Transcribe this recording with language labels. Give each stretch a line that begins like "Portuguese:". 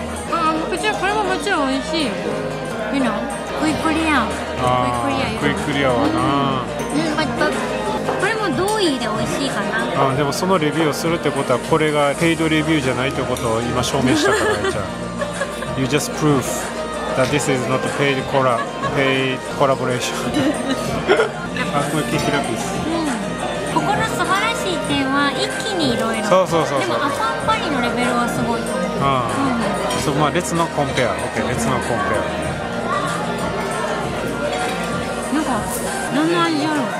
Japanese: が、うん、こちらこれももちろん美味しい。いいな、クイクリア。あクイクリアはな、うんうん、これも同意で美味しいかな。あでもそのレビューをするってことはこれがペイドレビューじゃないってことを今証明したからじゃあ。
English: You just prove that this is not a paid collaboration。
Japanese: あこれ気開くです。ここの素晴らしい点は一気にいろいろ。そうそうそうそう。でもアパンパリのレベルはすごい。ああ。そう、まあ列のコンペア。オッケー、列のコンペア。なんか何の味あるの？